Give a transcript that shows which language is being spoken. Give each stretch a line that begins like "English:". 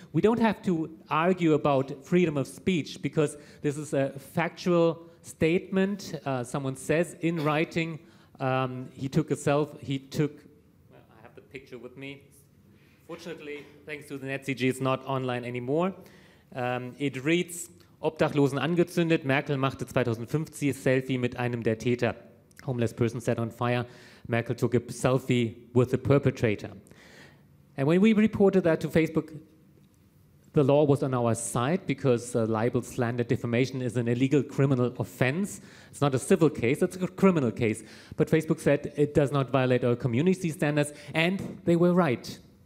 English: We don't have to argue about freedom of speech because this is a factual statement. Someone says in writing, I have the picture with me. Fortunately, thanks to the NetzDG, it's not online anymore. It reads,
German: Obdachlosen angezündet, Merkel machte 2015 Selfie mit einem der Täter.
English: Homeless person set on fire, Merkel took a selfie with the perpetrator. And when we reported that to Facebook, the law was on our side because libel, slander, defamation is an illegal criminal offense. It's not a civil case, it's a criminal case. But Facebook said it does not violate our community standards, and they were right.